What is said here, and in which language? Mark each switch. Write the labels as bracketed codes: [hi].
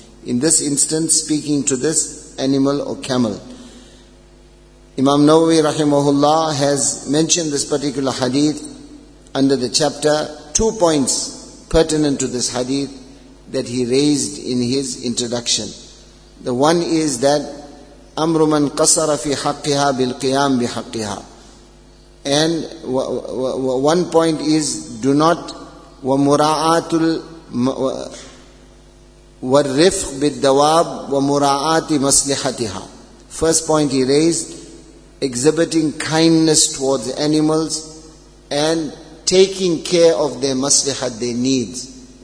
[en] In this instance, speaking to this animal or camel. Imam Nawawi rahimahullah has mentioned this particular hadith under the chapter, two points pertinent to this hadith that he raised in his introduction. The one is that [ar] أَمْرُ مَنْ قَصَرَ فِي حَقِّهَا بِالْقِيَامِ بِحَقِّهَا. [en] And one point is, do not [ar] وَمُرَاعَاتُ وَالْرِفْقِ بِالْدَوَابِ وَمُرَاعَاتِ مَصْلِحَتِهَا. [en] First point he raised, exhibiting kindness towards animals and taking care of their maslihat, their needs.